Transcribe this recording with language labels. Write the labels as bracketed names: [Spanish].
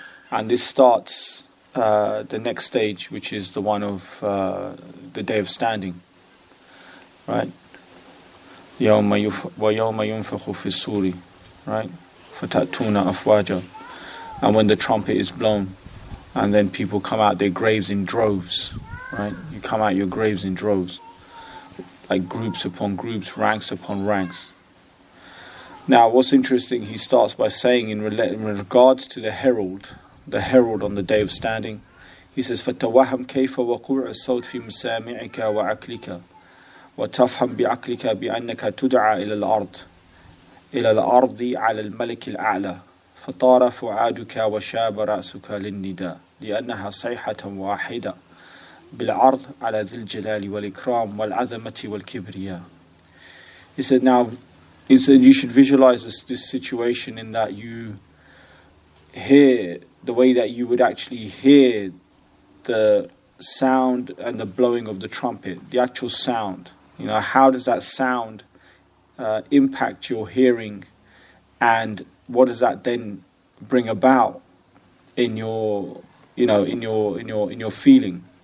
[English] And this starts the next stage, which is the one of the day of standing, right? [Arabic] وَيَوْمَ يُنْفَخُ فِي السُّورِ, right? فَتَأْتُونَ أَفْوَاجَ, [English] and when the trumpet is blown, and then people come out their graves in droves, right? You come out your graves in droves, like groups upon groups, ranks upon ranks. Now, what's interesting, he starts by saying in regards to the herald. The herald on the day of standing, he says, [Arabic] "فَتَوَهَّمْ كَيْفَ وَقُرْعَ الصَّوْتِ فِي مُسَامِعِكَ وَعَقْلِكَ وَتَفْهَمْ بِعَقْلِكَ بِأَنَّكَ تُدْعَى إلَى الْأَرْضِ عَلَى الْمَلِكِ الْأَعْلَى فَطَارَ فُعَادُكَ وَشَابَ رَأْسُكَ لِلنِّدَاءِ لِأَنَّهَا صَيْحَةٌ وَاحِدَةٌ بِالْعَرْضِ عَلَى ذِي الْجَلَالِ وَالْإِكْرَامِ وَالْعَظَمَةِ وَالْكِبْرِيَاءِ." [English] He said, "Now," he said, "you should visualize this situation in that you hear." The way that you would actually hear the sound and the blowing of the trumpet, the actual sound, you know, how does that sound impact your hearing, and what does that then bring about in your, you know, in your feeling?